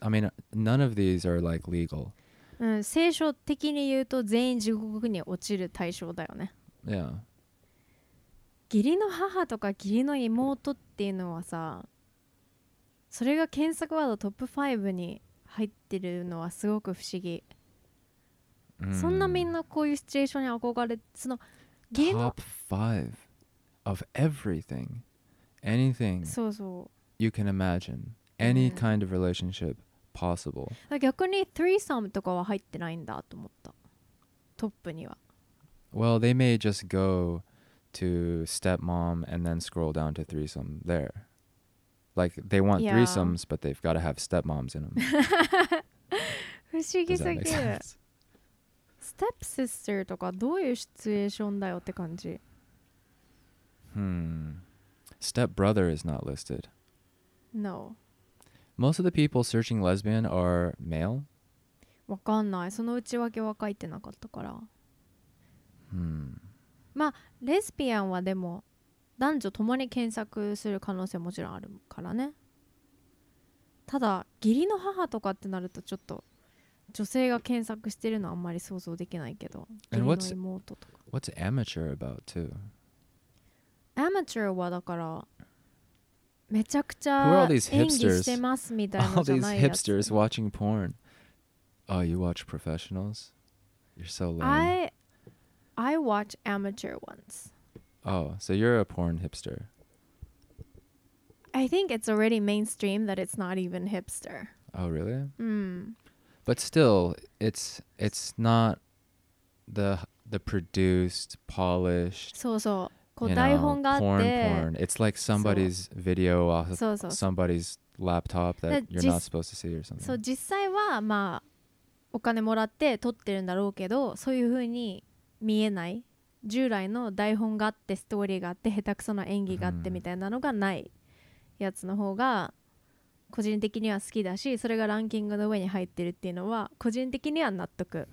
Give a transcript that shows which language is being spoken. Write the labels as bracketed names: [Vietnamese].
[English] I mean none of these are like legal、 [Japanese] うん、聖書的に言うと全員地獄に落ちる対象だよね。 Yeah. 義理の母とか義理の妹っていうのはさ、それが検索ワードトップ5に入ってるのはすごく不思議、mm. そんなみんなこういうシチュエーションに憧れ、その [English] 義理の top 5 of everything anything そうそう you can imagine any kind of relationship possible、 [Japanese] うん、逆に threesome とかは入ってないんだと思った、トップには。 [English] Well they may just goto stepmom and then scroll down to threesome there. Like, they want、yeah. threesomes, but they've got to have stepmoms in them. [Japanese] 不思議すぎる。Stepsister とかどういうシチュエーションだよって感じ。 [English] Stepbrother is not listed. No. Most of the people searching lesbian are male? [Japanese] わかんない。その内訳は書いてなかったから。まあ、レズビアンはでも男女共に検索する可能性もちろんあるからね。ただ義理の母とかってなるとちょっと女性が検索してるのあんまり想像できないけど、義理の妹とか。 [English] What's amateur about too? [Japanese] Amateur はだからめちゃくちゃ演技してますみたいなじゃないやつ。 [English] All these hipsters watching porn. Oh, you watch professionals? You're so lame. I watch amateur ones. Oh, so you're a porn hipster. I think it's already mainstream that it's not even hipster. Oh, really? Hmm. But still, it's not the produced, polished, [Japanese] そうそう。こう台本があって、 [English] porn. It's like somebody's video off of somebody's laptop that you're not supposed to see or something. [Japanese] そう、実際はまあお金もらって撮ってるんだろうけど、そういうふうに見えない従来の台本があってストーリーがあって下手くそな演技があってみたいなのがないやつの方が個人的には好きだし、それがランキングの上に入ってるっていうのは個人的には納得、